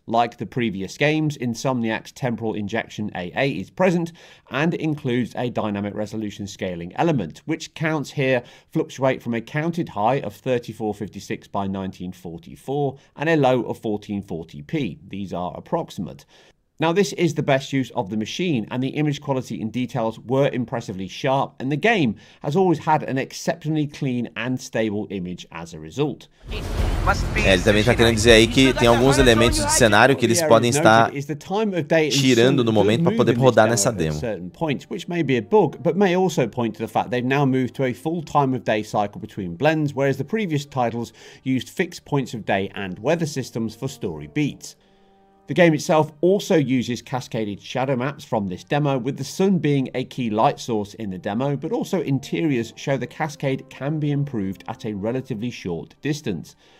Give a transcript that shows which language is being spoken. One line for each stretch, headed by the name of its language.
English: Like the previous games, Insomniac's temporal injection AA is present and includes a dynamic resolution scaling element, which counts here fluctuate from a counted high of 3456 by 1944 and a low of 1440p. These are approximate. Now this is the best use of the machine, and the image quality and details were impressively sharp, and the game has always had an exceptionally clean and stable image as a result.
Portuguese: Ele também está querendo dizer aí que tem alguns elementos de cenário que eles podem estar tirando no momento para poder rodar nessa demo.
English: Points, which may be a bug, but may also point to the fact they've now moved to a full time of day cycle between blends, whereas the previous titles used fixed points of day and weather systems for story beats. The game itself also uses cascaded shadow maps from this demo, with the sun being a key light source in the demo, but also interiors show the cascade can be improved at a relatively short distance.